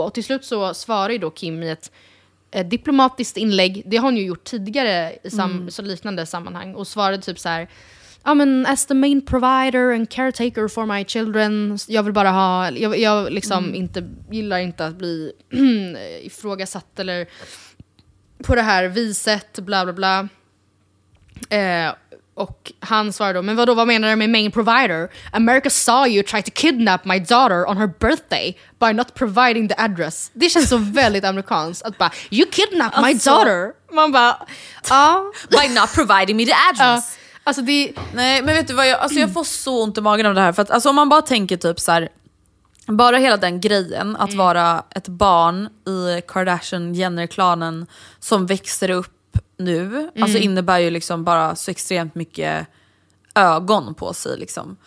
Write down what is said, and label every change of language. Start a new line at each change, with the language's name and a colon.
Swedish: Och till slut så svarar ju då Kim i ett diplomatiskt inlägg, det har hon ju gjort tidigare i så liknande sammanhang, och svarade typ så här:
English: I mean, as the main provider and caretaker for my children,
Swedish: jag vill bara ha, jag liksom inte gillar inte att bli ifrågasatt eller på det här viset, bla bla bla. Och han svarade då, men vadå, vad menar du med main provider?
English: America saw you try to kidnap my daughter on her birthday by not providing the address.
Swedish: Det känns så väldigt amerikanskt att bara,
English: you kidnapped my daughter.
Swedish: Man bara,
English: by not providing me the address.
Swedish: Alltså det, nej, men vet du vad, jag får så ont i magen av det här. För att alltså, om man bara tänker typ så här, bara hela den grejen att vara ett barn i Kardashian-Jenner-klanen som växer upp nu, alltså innebär ju liksom bara så extremt mycket ögon på sig liksom.